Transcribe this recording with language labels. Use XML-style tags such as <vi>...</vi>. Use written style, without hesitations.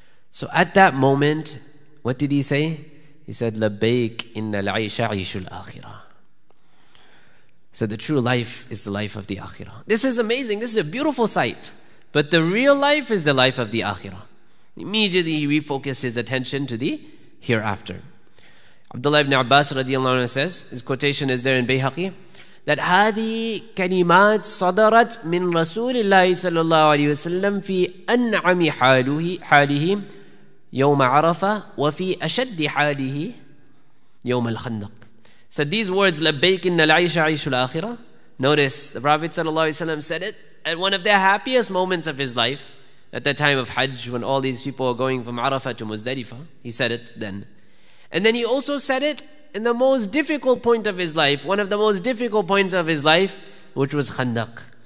<en>So at that moment, what did he say? He said,</en> <ar>Labbaik inna al-aisha aishul akhirah.</ar> <en>So the true life is the life of the akhirah. This is amazing. This is a beautiful sight. But the real life is the life of the akhirah. Immediately he refocused his attention to the hereafter. Abdullah ibn Abbas radiallahu anhu says, his quotation is there in Bayhaqi, that</en> <ar>هذه كلمات صدرت من رسول الله صلى الله عليه وسلم في أنعم حاله يوم عرفة وفي أشد حاله يوم الخندق.</ar> <en>So these words,</en> <ar>لبيك إن العيش عيش الآخرة.</ar> <en>Notice the Prophet صلى الله عليه وسلم said it at one of the happiest moments of his life, at the time of Hajj, when all these people were going from Arafah to Muzdalifah. He said it then. And then he also said it in the most difficult point of his life, one of the most difficult points of his life, which was Khandaq.</en>